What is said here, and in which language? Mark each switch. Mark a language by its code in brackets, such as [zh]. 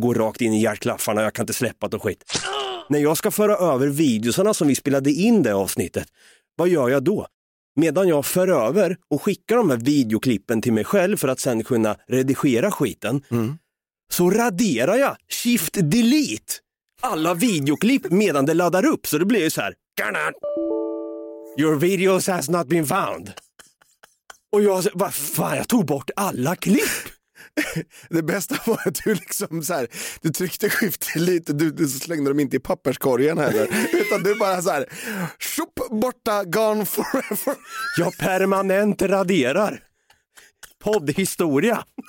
[sv] Det går rakt in i hjärtklaffarna, jag kan inte släppa det och skit. När jag ska föra över videosarna som vi spelade in det avsnittet, vad gör jag då? Medan jag för över och skickar de här videoklippen till mig själv för att sen kunna redigera skiten, så raderar jag, shift delete, alla videoklipp medan det laddar upp. Så det blir ju så här... [en] Your videos has not been found. [sv] Och jag sa, vad fan, jag tog bort alla klipp. Det bästa var att du liksom så här, du tryckte skift lite, du slängde dem inte i papperskorgen heller. Utan du bara så här, shop, borta, [en] gone forever. [sv] Jag permanent raderar poddhistoria.